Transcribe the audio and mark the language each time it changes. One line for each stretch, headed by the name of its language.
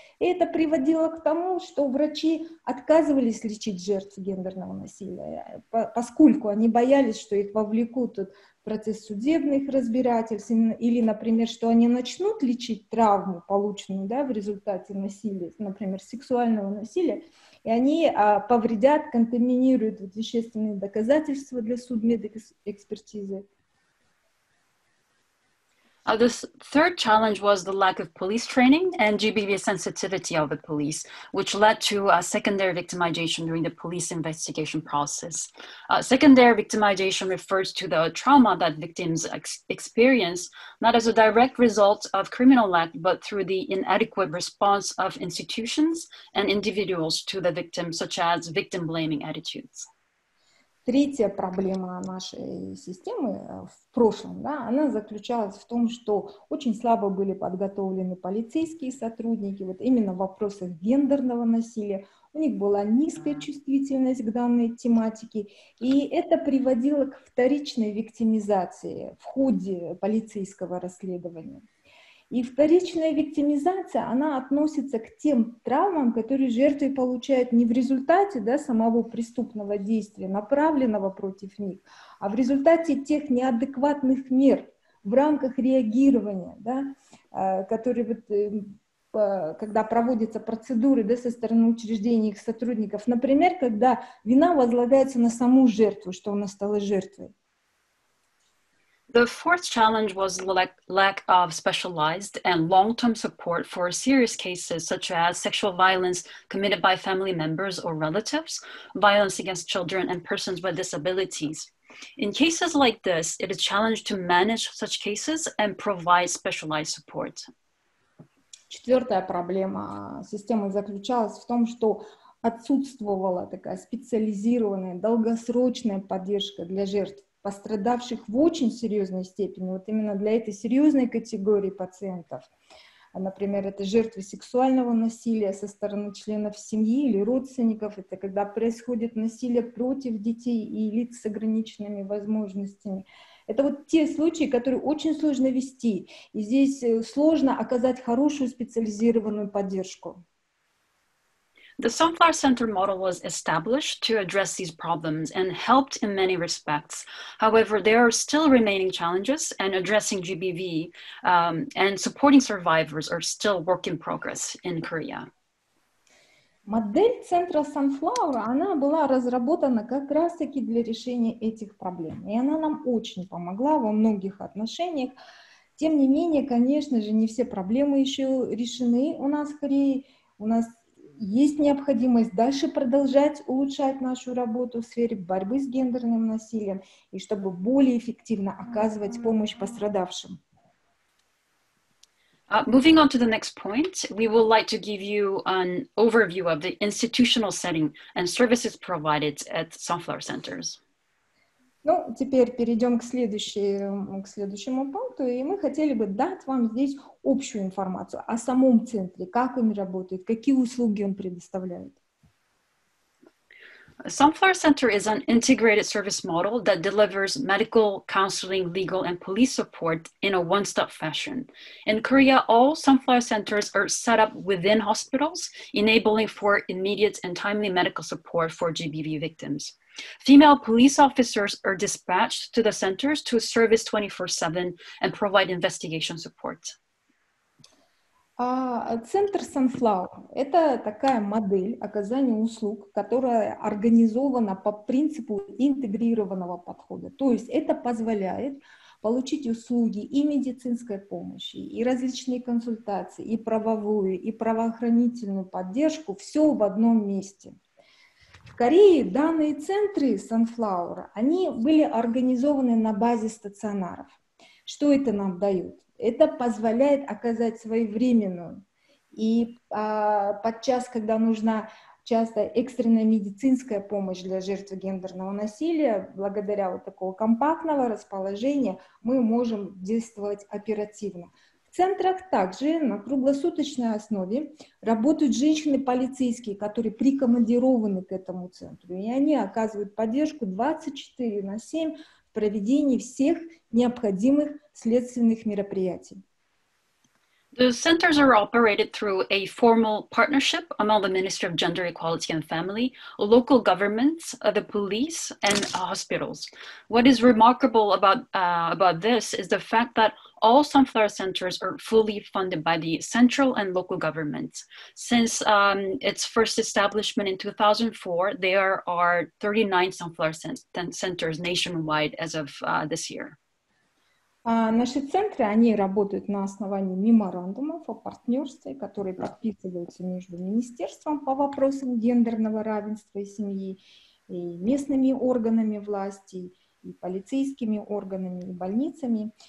Russian: И это приводило к тому, что врачи отказывались лечить жертв гендерного насилия, поскольку они боялись, что их вовлекут вот, процесс судебных разбирательств или, например, что они начнут лечить травму, полученную, да, в результате насилия, например, сексуального насилия, и они повредят, контаминируют вот вещественные доказательства для судмедэкспертизы.
English: The third challenge was the lack of police training and GBV sensitivity of the police, which led to secondary victimization during the police investigation process. Secondary victimization refers to the trauma that victims experience, not as a direct result of criminal act, but through the inadequate response of institutions and individuals to the victim, such as victim-blaming attitudes.
Russian: Третья проблема нашей системы в прошлом, да, она заключалась в том, что очень слабо были подготовлены полицейские сотрудники, вот именно в вопросах гендерного насилия. У них была низкая чувствительность к данной тематике, и это приводило к вторичной виктимизации в ходе полицейского расследования. И вторичная виктимизация, она относится к тем травмам, которые жертвы получают не в результате, да, самого преступного действия, направленного против них, а в результате тех неадекватных мер в рамках реагирования, да, которые вот, когда проводятся процедуры, да, со стороны учреждений их сотрудников. Например, когда вина возлагается на саму жертву, что она стала жертвой.
English: The fourth challenge was lack of specialized and long-term support for serious cases such as sexual violence committed by family members or relatives, violence against children and persons with disabilities. In cases like this, it is a challenge to manage such cases and provide specialized support.
Russian: Четвертая проблема системы заключалась в том, что отсутствовала такая специализированная, долгосрочная поддержка для жертв, пострадавших в очень серьезной степени, вот именно для этой серьезной категории пациентов. Например, это жертвы сексуального насилия со стороны членов семьи или родственников, это когда происходит насилие против детей и лиц с ограниченными возможностями. Это вот те случаи, которые очень сложно вести, и здесь сложно оказать хорошую специализированную поддержку.
English: The Sunflower Center model was established to address these problems and helped in many respects. However, there are still remaining challenges and addressing GBV and supporting survivors are still work in progress in Korea.
Russian: Модель центра Sunflower, она была разработана как раз-таки для решения этих проблем. И она нам очень помогла во многих отношениях. Тем не менее, конечно же, не все проблемы еще решены у нас в Корее. У нас есть необходимость дальше продолжать улучшать нашу работу в сфере борьбы с гендерным насилием и чтобы более эффективно оказывать помощь пострадавшим.
English: Moving on to the next point, we would like to give you an overview of the institutional setting and services provided at Sunflower Centers.
Russian: Ну, теперь перейдем к следующему пункту, и мы хотели бы дать вам здесь общую информацию о самом центре, как он работает, какие услуги он предоставляет.
English: Sunflower Center is an integrated service model that delivers medical, counseling, legal, and police support in a one-stop fashion. In Korea, all Sunflower Centers are set up within hospitals, enabling for immediate and timely medical support for GBV victims. Female police officers are dispatched to the centers to service 24/7 and provide investigation support.
Russian: Центр Sunflower – это такая модель оказания услуг, которая организована по принципу интегрированного подхода. То есть это позволяет получить услуги и медицинской помощи, и различные консультации, и правовую, и правоохранительную поддержку – все в одном месте. В Корее данные центры Sunflower, они были организованы на базе стационаров. Что это нам дает? Это позволяет оказать своевременную и подчас, когда нужна часто экстренная медицинская помощь для жертв гендерного насилия, благодаря вот такого компактного расположения мы можем действовать оперативно. В центрах также на круглосуточной основе работают женщины-полицейские, которые прикомандированы к этому центру, и они оказывают поддержку 24/7, проведении всех необходимых следственных мероприятий.
English: The centers are operated through a formal partnership among the Ministry of Gender Equality and Family, local governments, the police, and hospitals. What is remarkable about this is the fact that all Sunflower centers are fully funded by the central and local governments. Since its first establishment in 2004, there are 39 Sunflower centers nationwide as of this year.
Russian: Наши центры, они работают на основании меморандумов о партнерстве, которые подписываются между министерством по вопросам гендерного равенства и семьи, и местными органами власти, и полицейскими органами, и больницами.